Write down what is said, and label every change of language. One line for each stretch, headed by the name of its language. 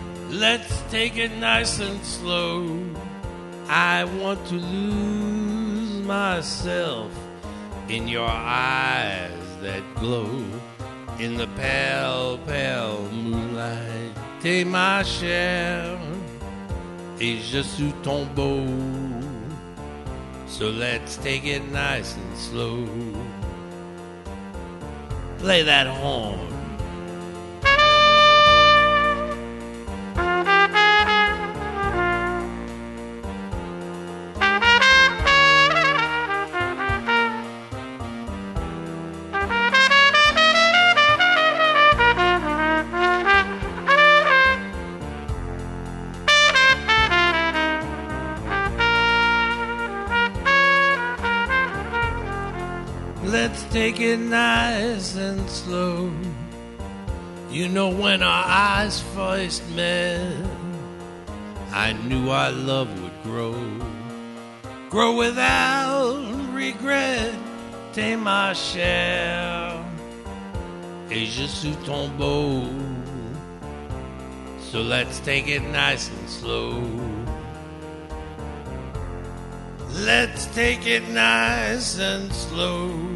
English: Let's take it nice and slow. I want to lose myself in your eyes that glow in the pale, pale moonlight.
French: T'es ma chère et je suis ton beau.
English: So let's take it nice and slow. Play that horn. Take it nice and slow. You know when our eyes first met, I knew our love would grow. Grow without regret.
French: T'es ma chère et je suis ton beau.
English: So let's take it nice and slow. Let's take it nice and slow.